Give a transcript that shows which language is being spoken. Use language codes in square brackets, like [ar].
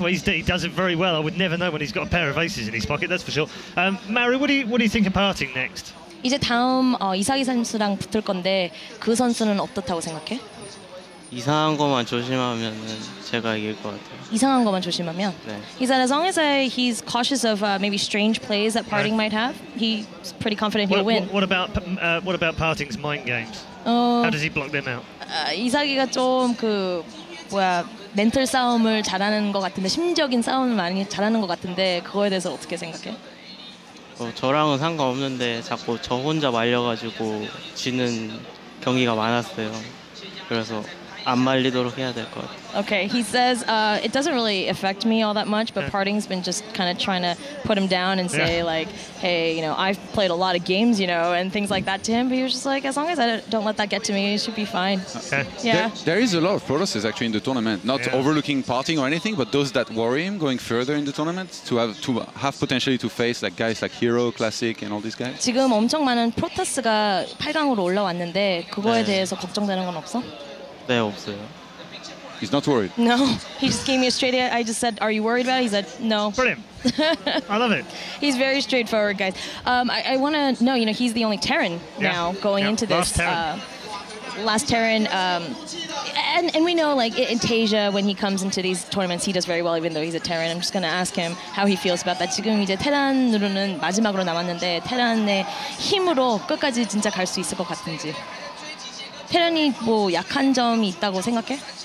[en] Well, he does it very well. I would never know when he's got a pair of aces in his pocket. That's for sure. Maru, what do you think of partying next? [ko] 이제 다음 이상희 선수랑 붙을 건데 그 선수는 어떻다고 생각해? 이상한 것만 조심하면 제가 이길 것 같아요. 이상한 것만 조심하면? 네. [en] He said as long as he's cautious of maybe strange plays that Parting might have, he's pretty confident he'll win. What about Parting's mind games? How does he block them out? [ko] 이상희가 좀 그 뭐야 멘탈 싸움을 잘하는 것 같은데 심적인 싸움을 많이 잘하는 것 같은데 그거에 대해서 어떻게 생각해? 저랑은 상관없는데 자꾸 저 혼자 말려가지고 지는 경기가 많았어요. 그래서 안 말리도록 해야 될 것 같아요. [en] Okay, he says it doesn't really affect me all that much, but Parting's been just kind of trying to put him down and say like, hey, you know, I've played a lot of games, you know, and things like that to him. But he was just like, as long as I don't let that get to me, it should be fine. Okay. Yeah. There is a lot of protosses actually in the tournament. Not overlooking Parting or anything, but those that worry him going further in the tournament to have potentially to face like guys like Hero, Classic, and all these guys. [ko] 지금 엄청 많은 프로토스가 8강으로 올라왔는데 그거에 대해서 걱정되는 건 없어? 네, 없어요. [en] He's not worried. No, he just gave me a straight answer. I just said, are you worried about it? He said, no. Brilliant. I love it. He's very straightforward, guys. I want to know, you know, he's the only Terran now going into this. Last Terran. And we know, like, in Tasia, when he comes into these tournaments, he does very well, even though he's a Terran. I'm just going to ask him how he feels about that. [ko] 지금 이제 테란으로는 마지막으로 남았는데 테란의 힘으로 끝까지 진짜 갈 수 있을 것 같은지. 테란이 뭐 약한 점이 있다고 생각해?